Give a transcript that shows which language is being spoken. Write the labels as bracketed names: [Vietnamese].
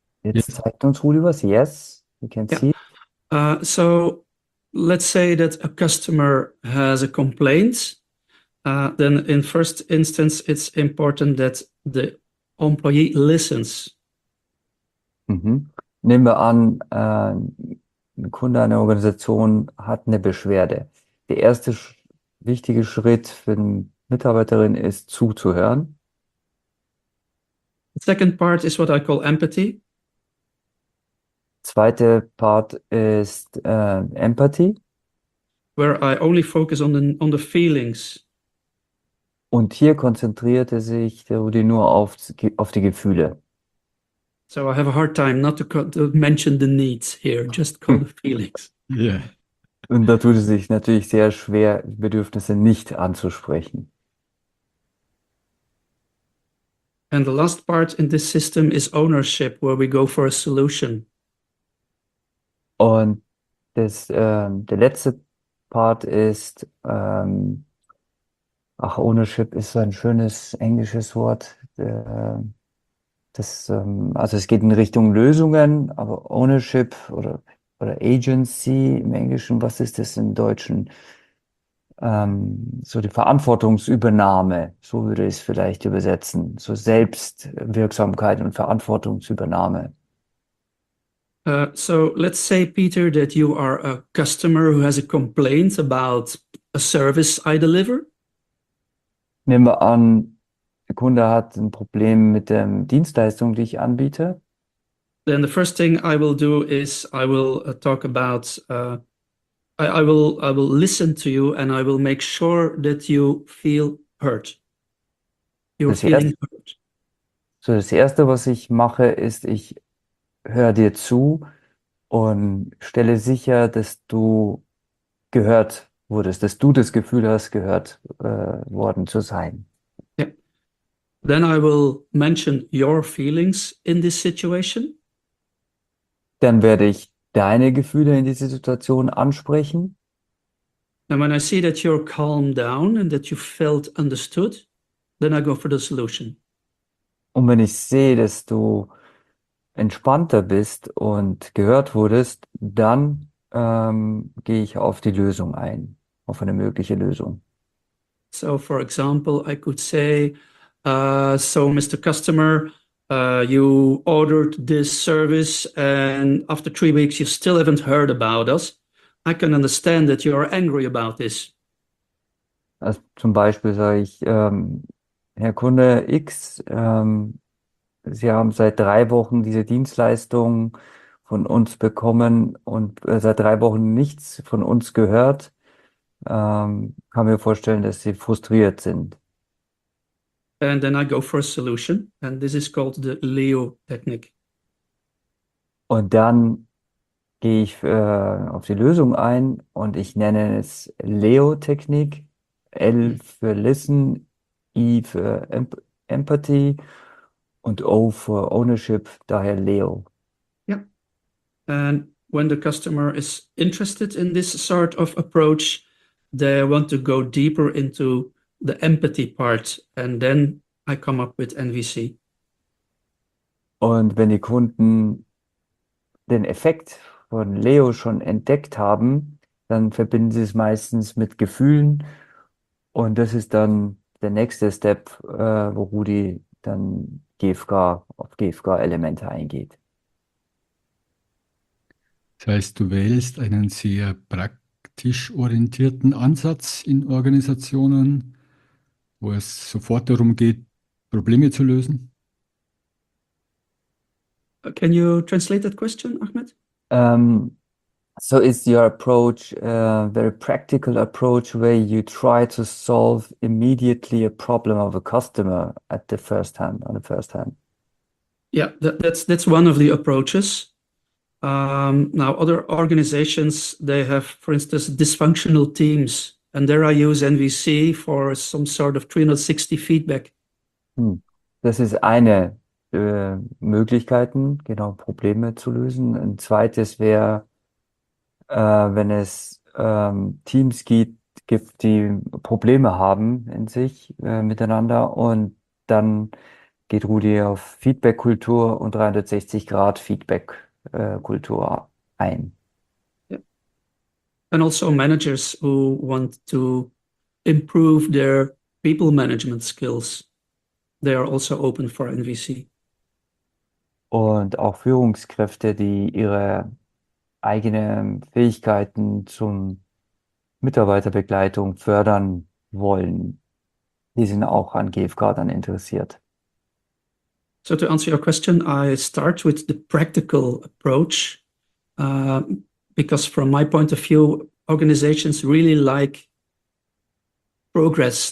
[German] Jetzt zeigt uns Rudi was. [English] Yes, you can see. So let's say that a customer has a complaint. Then in first instance, it's important that the employee listens. Mm-hmm. [German] Nehmen wir an, ein Kunde einer Organisation hat eine Beschwerde. Der erste wichtige Schritt für eine Mitarbeiterin ist zuzuhören. [English] The second part is what I call empathy. [German] Zweite Part ist Empathy. [English] Where I only focus on the feelings. [German] Und hier konzentriert er sich Rudi nur auf die Gefühle. [English] So I have a hard time not to mention the needs here, just call the feelings. Yeah. [German] Und da tut es sich natürlich sehr schwer, Bedürfnisse nicht anzusprechen. [English] And the last part in this system is ownership, where we go for a solution. [German] Und der letzte Part ist, ach, Ownership ist so ein schönes englisches Wort. Also es geht in Richtung Lösungen, aber Ownership oder Agency im Englischen, was ist das im Deutschen? So die Verantwortungsübernahme, so würde ich es vielleicht übersetzen. So Selbstwirksamkeit und Verantwortungsübernahme. [English] So let's say, Peter, that you are a customer who has a complaint about a service I deliver. [German] Nehmen wir an, der Kunde hat ein Problem mit der Dienstleistung, die ich anbiete. [English] Then the first thing I will do is I will talk about I will listen to you and I will make sure that you feel hurt. You're feeling hurt. [German] Das Erste, was ich mache, ist, ich höre dir zu und stelle sicher, dass du gehört wurdest, dass du das Gefühl hast, gehört worden zu sein. [English] Then I will mention your feelings in this situation. [German] Dann werde ich deine Gefühle in dieser Situation ansprechen. [English] And when I see that you're calmed down and that you felt understood, then I go for the solution. [German] Und wenn ich sehe, dass du entspannter bist und gehört wurdest, dann gehe ich auf die Lösung ein, auf eine mögliche Lösung. [English] So, for example, I could say, so, Mr. Customer, you ordered this service, and after 3 weeks, you still haven't heard about us. I can understand that you are angry about this. [German] Also zum Beispiel sage ich, Herr Kunde X, Sie haben seit 3 Wochen diese Dienstleistung von uns bekommen und seit 3 Wochen nichts von uns gehört, kann mir vorstellen, dass Sie frustriert sind. [English] And then I go for a solution, and this is called the Leo Technique. [German] Und dann gehe ich auf die Lösung ein und ich nenne es Leo-Technik. L für Listen, I für Empathy und O für Ownership, daher Leo. [English] And when the customer is interested in this sort of approach, they want to go deeper into the empathy part, and then I come up with NVC. [German] Und wenn die Kunden den Effekt von Leo schon entdeckt haben, dann verbinden sie es meistens mit Gefühlen. Und das ist dann der nächste Step, wo Rudi dann GFK auf GFK-Elemente eingeht. Das heißt, du wählst einen sehr praktisch orientierten Ansatz in Organisationen, wo es sofort darum geht, Probleme zu lösen. [English] Can you translate that question, Ahmed? So is your approach a very practical approach where you try to solve immediately a problem of a customer at the first hand, on the first hand? Yeah, that's one of the approaches. Now, other organizations, they have, for instance, dysfunctional teams, and there I use NVC for some sort of 360 feedback. [German] Das ist eine Möglichkeiten, genau, Probleme zu lösen. Ein zweites wäre, wenn es Teams gibt, die Probleme haben in sich miteinander, und dann geht Rudi auf Feedback-Kultur und 360-Grad-Feedback-Kultur ein. [English] And also managers who want to improve their people management skills, they are also open for NVC. [German] Und auch Führungskräfte, die ihre eigene Fähigkeiten zum Mitarbeiterbegleitung fördern wollen, die sind auch an GFK dann interessiert. [English] So to answer your question, I start with the practical approach, because from my point of view, organizations really like progress.